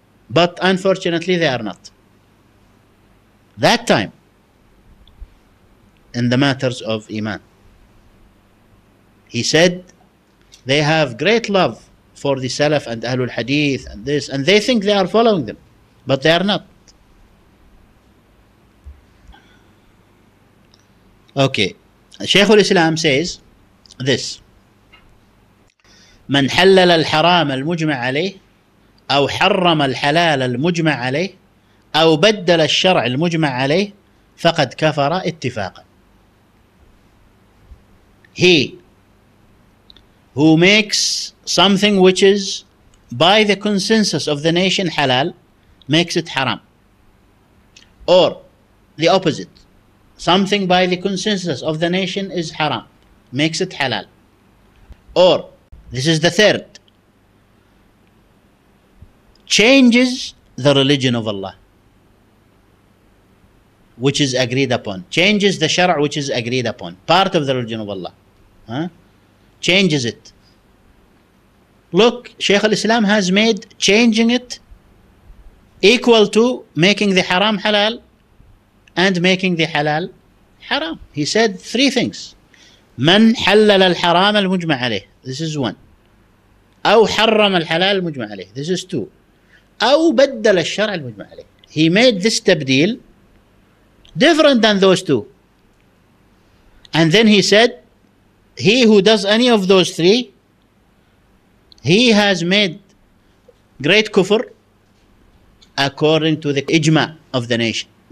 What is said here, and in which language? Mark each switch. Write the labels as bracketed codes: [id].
[en] But unfortunately, they are not. That time, in the matters of Iman, he said they have great love for the Salaf and Ahlul Hadith and this, and they think they are following them, but they are not. Okay, Shaykh al-Islam says this, [ar] من حلل الحرام المجمع عليه أو حرم الحلال المجمع عليه أو بدل الشرع المجمع عليه فقد كفر اتفاقا. [en] He who makes something which is by the consensus of the nation halal makes it haram, or the opposite, something by the consensus of the nation is haram, makes it halal. Or, this is the third, changes the religion of Allah, which is agreed upon. Changes the shara' which is agreed upon. Part of the religion of Allah. Changes it. Look, Shaykh al-Islam has made changing it equal to making the haram halal and making the halal haram. He said three things. [ar] من حلل الحرام المجمع عليه. [en] This is one. [ar] أو حرم الحلال المجمع عليه. [en] This is two. [ar] أو بدل الشرع المجمع عليه. [en] He made this تبديل different than those two. And then he said, he who does any of those three, he has made great kufr according to the ijma of the nation.